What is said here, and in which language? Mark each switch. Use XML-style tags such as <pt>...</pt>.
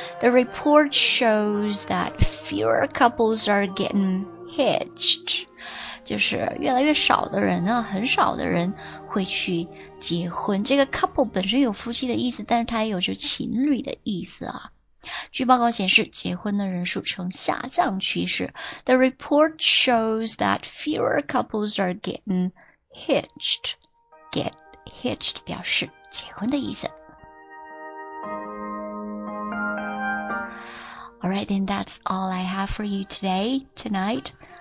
<en>The report shows that fewer couples are getting hitched.</en> <zh>就是越来越少的人呢，很少的人会去结婚。这个 couple 本身有夫妻的意思，但是它也有就情侣的意思啊。据报告显示，结婚的人数呈下降趋势。</zh> <en>The report shows that fewer couples are getting hitched. Get hitched</en> <zh>表示结婚的意思。</zh> <en>Alright, then that's all I have for you today, tonight.</en>